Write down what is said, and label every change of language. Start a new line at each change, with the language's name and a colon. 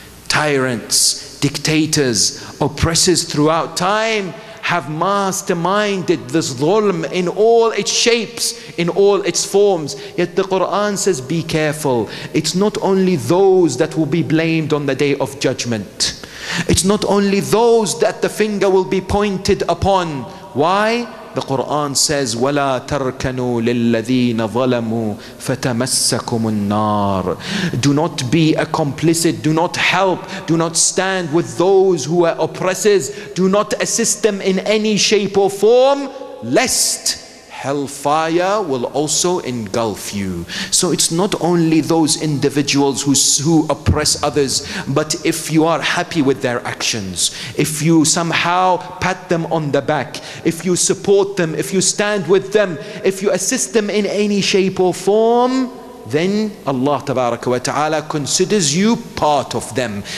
English: Tyrants, dictators, oppressors throughout time have masterminded this dhulm in all its shapes, in all its forms. Yet the Quran says, be careful. It's not only those that will be blamed on the day of judgment. It's not only those that the finger will be pointed upon. Why? The Quran says,
Arabic: وَلَا تَرْكَنُوا لِلَّذِينَ ظَلَمُوا فَتَمَسَّكُمُ النَّارِ.
English: Do not be a complicit, do not help, do not stand with those who are oppressors, do not assist them in any shape or form, lest hellfire will also engulf you. So it's not only those individuals who oppress others, but if you are happy with their actions, if you somehow pat them on the back, if you support them, if you stand with them, if you assist them in any shape or form, then Allah tabaraka wa ta'ala considers you part of them.